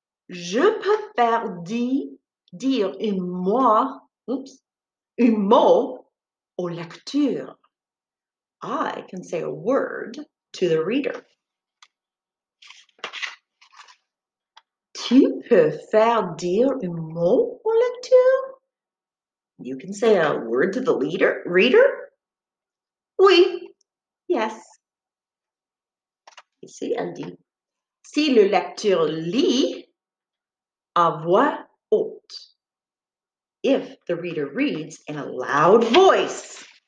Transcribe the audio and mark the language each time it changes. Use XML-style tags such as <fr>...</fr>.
<fr>Je peux faire dire un mot au lecteur.</fr> <en>I can say a word to the reader.</en> <fr>Tu peux faire dire un mot au lecteur?</fr> <en>You can say a word to the reader?</en> <fr>Oui. Yes. Ici, elle dit. Si le lecteur lit à voix haute.</fr> <en>If the reader reads in a loud voice.</en>